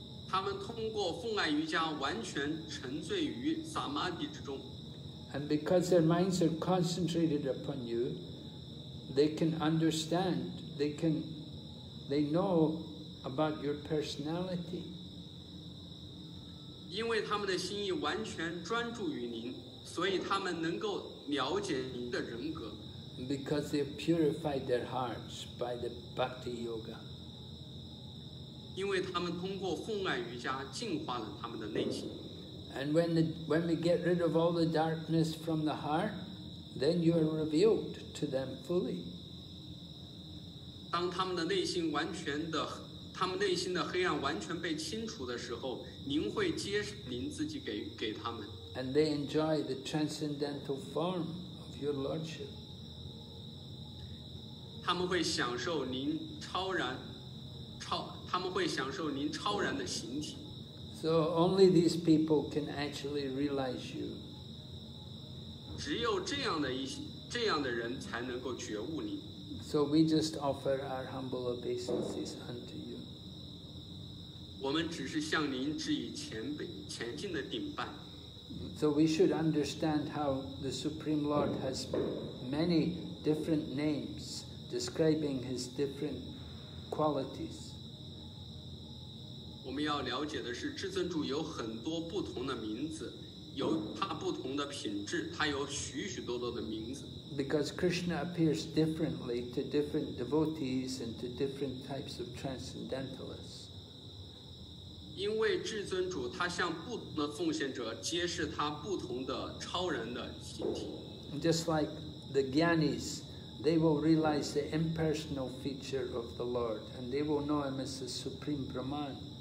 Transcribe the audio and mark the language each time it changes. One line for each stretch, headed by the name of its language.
Chinese: 他们通过奉爱瑜伽完全沉醉于萨玛迪之中。
English: And because their minds are concentrated upon you, they can understand, they know about your personality.
Chinese: 因为他们的心意完全专注于您，所以他们能够了解您的人格。
English: Because they purified their hearts by the bhakti yoga.
Chinese: 因为他们通过奉爱瑜伽净化了他们的内心。
English: And when we get rid of all the darkness from the heart, then you are revealed to them fully.
Chinese: 当他们的内心完全的，他们内心的黑暗完全被清除的时候，您会揭示您自己给他们。
English: And they enjoy the transcendental form of your lordship.
Chinese: 他们会享受您他们会享受您超然的形体。
English: So only these people can actually realize you.
Chinese: 只有这样的人才能够觉悟你。
English: So we just offer our humble obeisances unto you.
Chinese: 我们只是向您致以虔敬的顶拜。
English: So we should understand how the Supreme Lord has many different names describing his different qualities.
Chinese: 我们要了解的是至尊主有很多不同的名字，有他不同的品质，他有许许多多的名字。
English: Because Krishna appears differently to different devotees and to different types of transcendentalists.
Chinese: 因为至尊主他向不同的奉献者揭示他不同的超然的形体。
English: Just like the Gyanis, they will realize the impersonal feature of the Lord and they will know him as the Supreme Brahman.